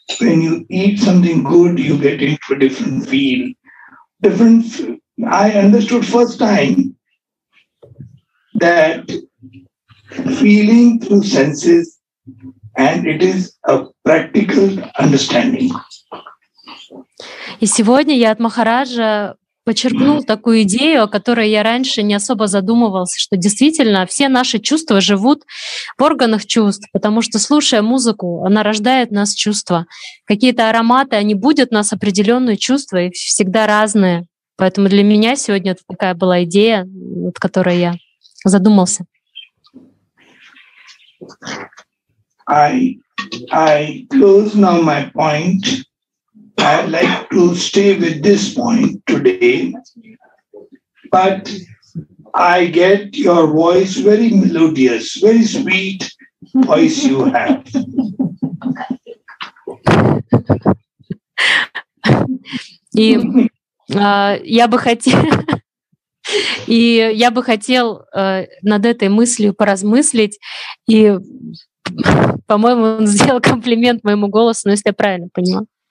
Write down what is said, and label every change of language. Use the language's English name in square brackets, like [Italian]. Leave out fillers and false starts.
[English] When you eat something good, you get into a different feel. I understood first time that feeling through senses, and it is a practical understanding. [Russian] И сегодня я от Махараджа подчеркнул такую идею, о которой я раньше не особо задумывался, что действительно все наши чувства живут в органах чувств, потому что, слушая музыку, она рождает в нас чувства. Какие-то ароматы, они будят у нас определенные чувства, и всегда разные. Поэтому для меня сегодня такая была идея, от которой я задумался. [English] I close now my point. I'd like to stay with this point today, but I get your voice very melodious, very sweet voice you have. [Russian] И я бы хотел, и я бы хотел над этой мыслью поразмыслить, и, по-моему, он сделал комплимент моему голосу, но если я правильно поняла.